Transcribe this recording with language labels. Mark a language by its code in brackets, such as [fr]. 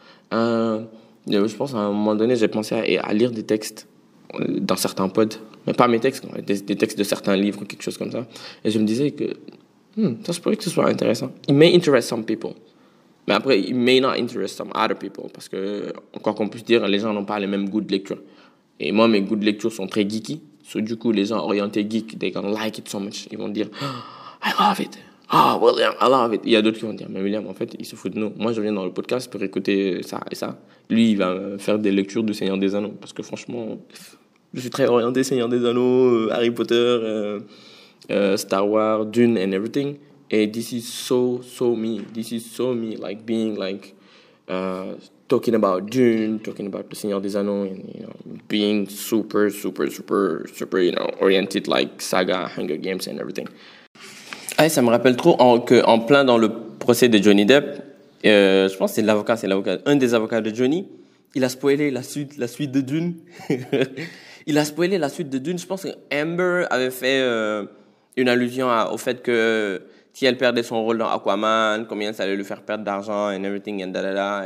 [fr] Je pense à un moment donné, j'ai pensé à lire des textes dans certains pods, mais pas mes textes, des textes de certains livres ou quelque chose comme ça. Et je me disais que ça se pourrait que ce soit intéressant. [en] It may interest some people. [fr] Mais après, [en] it may not interest some other people. [fr] Parce que, quoi qu'on puisse dire, les gens n'ont pas les mêmes goûts de lecture. Et moi, mes goûts de lecture sont très geeky. [en] So, [fr] du coup, les gens orientés geek, [en] they're gonna like it so much. [fr] Ils vont dire, [en] oh, I love it. Oh, William, I love it. [fr] Il y a d'autres qui vont dire, mais William, en fait, il se fout de nous. Moi, je viens dans le podcast pour écouter ça et ça. Lui, il va faire des lectures du Seigneur des Anneaux. Parce que, franchement, je suis très orienté Seigneur des Anneaux, Harry Potter, Star Wars, Dune, [en] and everything. Et this is so, so me. This is so me, like, being, like, talking about Dune, talking about the Seigneur des Anneaux, and, you know, being super, super, super, super, you know, oriented, like, saga, Hunger Games, and everything. [fr] Ah, ça me rappelle trop qu'en plein dans le procès de Johnny Depp, je pense que c'est l'avocat, un des avocats de Johnny, il a spoilé la suite de Dune. Il a spoilé la suite de Dune. Je pense que Amber avait fait une allusion au fait que si elle perdait son rôle dans Aquaman, combien ça allait lui faire perdre d'argent [en] and everything and da.